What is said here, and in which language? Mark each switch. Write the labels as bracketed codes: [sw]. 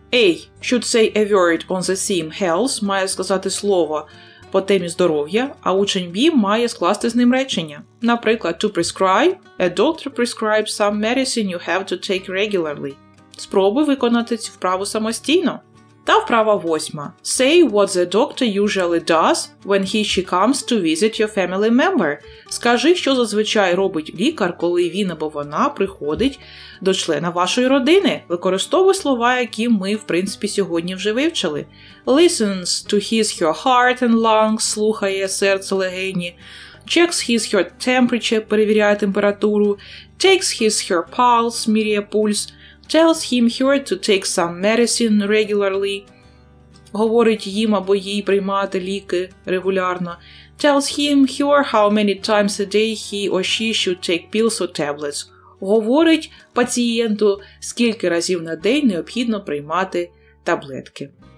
[en] A should say a word on the theme health [uk] – має сказати слово по темі здоров'я, а учень B має скласти з ним речення. Наприклад, [en] to prescribe – a doctor prescribes some medicine you have to take regularly. [uk] Спробуй виконати цю вправу самостійно. Та вправа восьма. [en] Say what the doctor usually does when he/she comes to visit your family member. [uk] Скажи, що зазвичай робить лікар, коли він або вона приходить до члена вашої родини. Використовуй слова, які ми, в принципі, сьогодні вже вивчили. [en] Listens to his/her heart and lungs, [uk] слухає серце, легені. [en] Checks his/her temperature, [uk] перевіряє температуру. [en] Takes his/her pulse, [uk] міряє пульс. [en] Tells him here to take some medicine regularly. [uk] Говорить їм або їй приймати ліки регулярно. [en] Tells him here how many times a day he or she should take pills or tablets. [uk] Говорить пацієнту, скільки разів на день необхідно приймати таблетки.